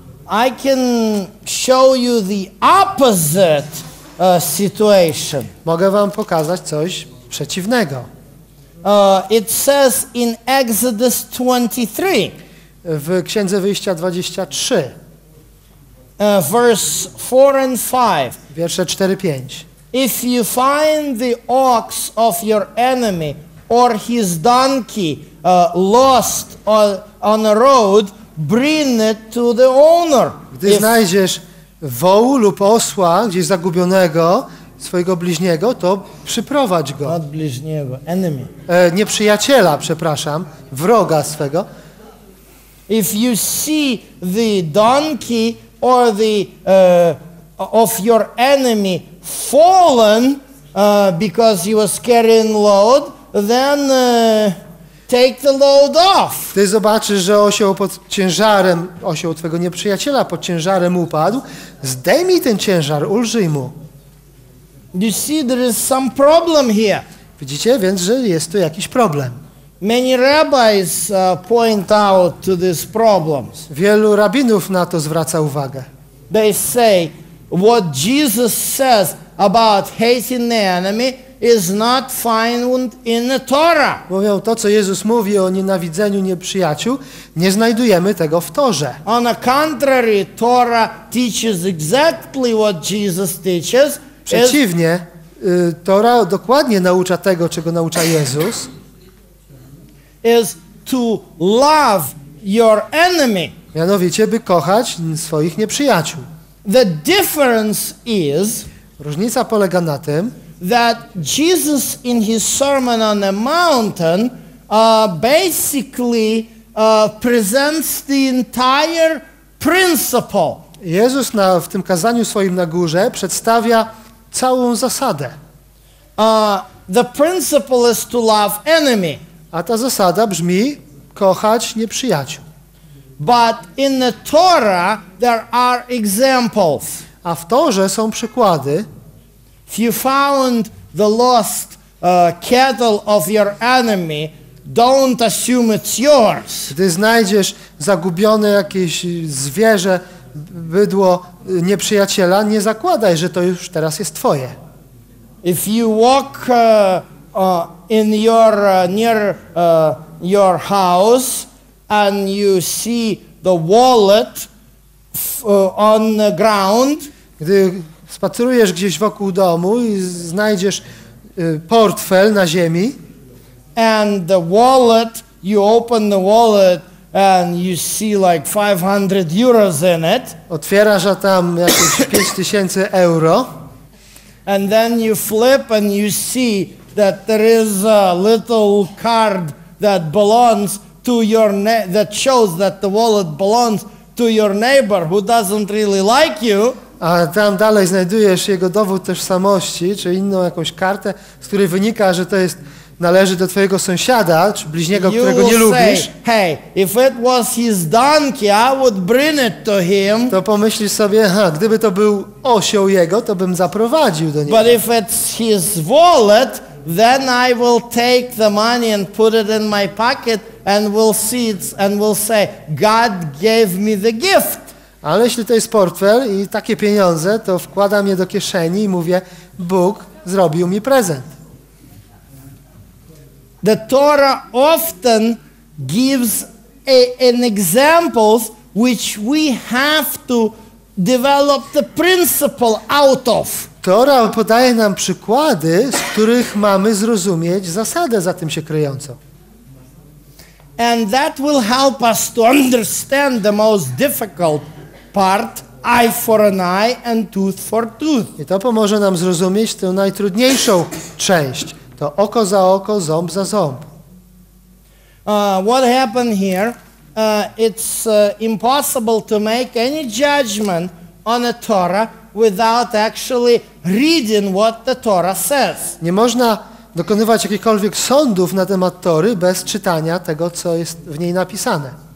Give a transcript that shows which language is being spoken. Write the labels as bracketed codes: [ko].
[en] I can show you the opposite situation. [pl] Mogę wam pokazać coś przeciwnego. [en] It says in Exodus 23. [pl] W Księdze Wyjścia 23. [en] Verse 4 and 5. [pl] Wiersze 4 i 5. [en] If you find the ox of your enemy or his donkey lost on the road, bring it to the owner. [pl] Gdy znajdziesz wołu lub osła gdzieś zagubionego swojego bliźniego, to przyprowadź go. [en] Not bliźniego, enemy. [pl] Nieprzyjaciela, przepraszam, wroga swego. [en] If you see the donkey or the of your enemy fallen because he was carrying load, then take the load off. [pl] Ty zobaczysz, że osioł pod ciężarem, osioł twojego nieprzyjaciela pod ciężarem upadł, zdejmij ten ciężar, ulżyj mu. [en] You see, there is some problem here. [pl] Widzicie więc, że jest tu jakiś problem. [en] Many rabbis point out to these problems. [pl] Wielu rabinów na to zwraca uwagę. [en] They say what Jesus says about hating the enemy is not found in the Torah. [pl] Mówią, to co Jezus mówi o nienawidzeniu nieprzyjaciół, nie znajdujemy tego w Torze. [en] On the contrary, Torah teaches exactly what Jesus teaches. [pl] Przeciwnie, Tora dokładnie naucza tego, czego naucza Jezus. [en] Is to love your enemy. [pl] Mianowicie, by kochać swoich nieprzyjaciół. [en] The difference is, [pl] różnica polega na tym, [en] that Jesus in his Sermon on the Mountain basically presents the entire principle. [pl] Jezus na, w tym kazaniu swoim na górze przedstawia całą zasadę. [en] The principle is to love enemy. [pl] A ta zasada brzmi kochać nieprzyjaciół. [en] But in the Torah there are examples. [pl] A w Torze są przykłady. [en] If you found the lost cattle of your enemy, don't assume it's yours. [pl] Gdy znajdziesz zagubione jakieś zwierzę, bydło nieprzyjaciela, nie zakładaj, że to już teraz jest twoje. [en] If you walk in your near your house and you see the wallet on the ground, [pl] gdy spacerujesz gdzieś wokół domu i znajdziesz portfel na ziemi, [en] and the wallet, you open the wallet and you see like 500 euros in it. [pl] Otwierasz, a tam jakieś 5000 euro. [en] And then you flip and you see that there is a little card that belongs to your that shows that the wallet belongs to your neighbor who doesn't really like you. [pl] A tam dalej znajdujesz jego dowód tożsamości, czy inną jakąś kartę, z której wynika, że to jest należy do twojego sąsiada, czy bliźniego, którego nie lubisz. [en] Hey, if it was his donkey, I would bring it to him. [pl] To pomyślisz sobie, ha, gdyby to był osioł jego, to bym zaprowadził do niego. [en] But if it's his wallet, then I will take the money and put it in my pocket and will see it and will say, God gave me the gift. [pl] Ale jeśli to jest portfel i takie pieniądze, to wkładam je do kieszeni i mówię, Bóg zrobił mi prezent. [en] The Torah often gives an examples which we have to develop the principle out of. [pl] Torah podaje nam przykłady, z których mamy zrozumieć zasadę za tym się kryjącą. [en] And that will help us to understand the most difficult part, eye for an eye and tooth for tooth. [pl] I to pomoże nam zrozumieć tę najtrudniejszą część. To oko za oko, ząb za ząb. [en] What happened here? It's impossible to make any judgment on a Torah without actually reading what the Torah says. [pl] Nie można dokonywać jakichkolwiek sądów na temat Tory bez czytania tego, co jest w niej napisane.